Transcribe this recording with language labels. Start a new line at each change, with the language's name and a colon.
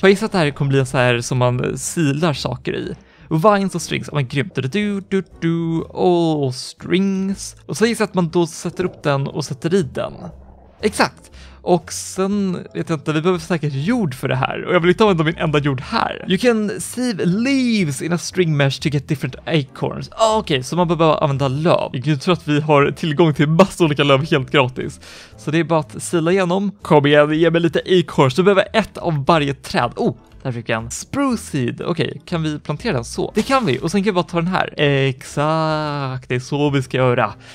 Swedish: Jag gissar att det här kommer bli en så här som man silar saker i. Vines och strings. Oh, men grymt. Och strings. Och så gissar jag att man då sätter upp den och sätter i den. Exakt. Och sen vet jag inte, vi behöver säkert jord för det här. Och jag vill inte använda min enda jord här.
English: You can sieve leaves in a string mesh to get different acorns.
Swedish: Ah, okej, okay, så man behöver använda löv. Jag tror att vi har tillgång till massa olika löv helt gratis. Så det är bara att sila igenom. Kom igen, ge mig lite acorns. Du behöver ett av varje träd. Oh, där fick jag en spruce seed. Okej, okay, kan vi plantera den så? Det kan vi. Och sen kan vi bara ta den här. Exakt, det är så vi ska göra.